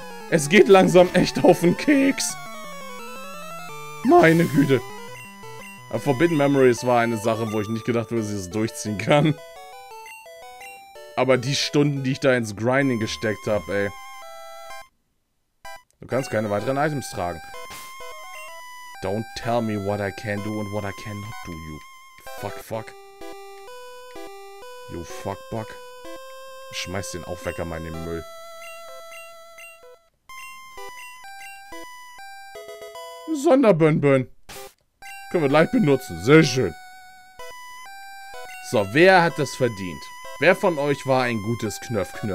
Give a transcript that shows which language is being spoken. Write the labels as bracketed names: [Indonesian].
[German] Es geht langsam echt auf den Keks. Meine Güte. Forbidden Memories war eine Sache, wo ich nicht gedacht habe, dass ich es durchziehen kann. Aber die Stunden, die ich da ins Grinding gesteckt habe, ey. Du kannst keine weiteren Items tragen. [English] Don't tell me what I can do and what I cannot do, you fuck. You fuckbuck. [German] Schmeiß den Aufwecker mal in den Müll. Sonderbönbön. Können wir gleich benutzen. Sehr schön. So, wer hat das verdient? Wer von euch war ein gutes Knöff?